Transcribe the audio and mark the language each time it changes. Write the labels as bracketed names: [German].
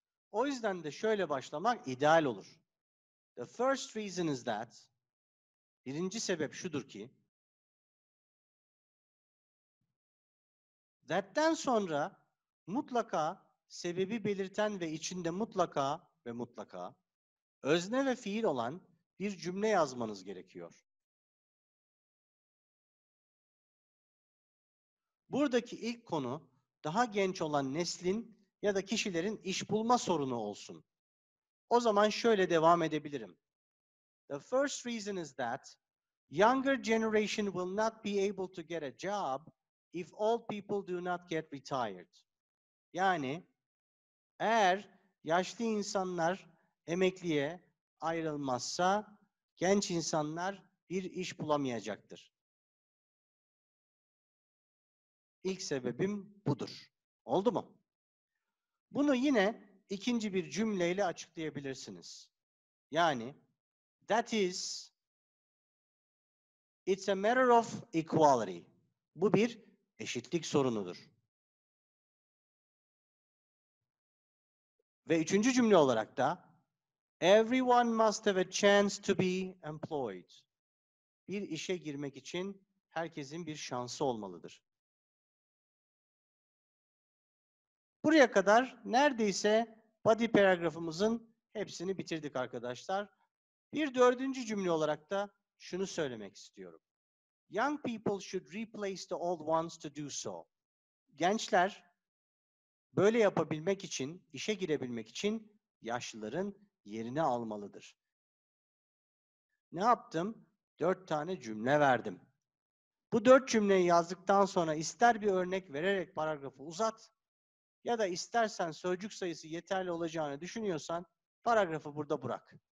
[Turkish] O yüzden de şöyle başlamak ideal olur. [English] The first reason is that, [Turkish] birinci sebep şudur ki, that'ten sonra mutlaka sebebi belirten ve içinde mutlaka ve mutlaka özne ve fiil olan bir cümle yazmanız gerekiyor. Buradaki ilk konu daha genç olan neslin ya da kişilerin iş bulma sorunu olsun. O zaman şöyle devam edebilirim. [English] The first reason is that younger generation will not be able to get a job if old people do not get retired. [Turkish] Yani eğer yaşlı insanlar emekliye ayrılmazsa genç insanlar bir iş bulamayacaktır. İlk sebebim budur. Oldu mu? Bunu yine ikinci bir cümleyle açıklayabilirsiniz. Yani [English] that is, it's a matter of equality. [Turkish] Bu bir eşitlik sorunudur. Ve üçüncü cümle olarak da [English] everyone must have a chance to be employed. [Turkish] Bir işe girmek için herkesin bir şansı olmalıdır. Buraya kadar neredeyse body paragraph'ımızın hepsini bitirdik arkadaşlar. Bir dördüncü cümle olarak da şunu söylemek istiyorum. [English] Young people should replace the old ones to do so. [Turkish] Gençler böyle yapabilmek için, işe girebilmek için yaşlıların yerini almalıdır. Ne yaptım? Dört tane cümle verdim. Bu dört cümleyi yazdıktan sonra ister bir örnek vererek paragrafı uzat ya da istersen sözcük sayısı yeterli olacağını düşünüyorsan paragrafı burada bırak.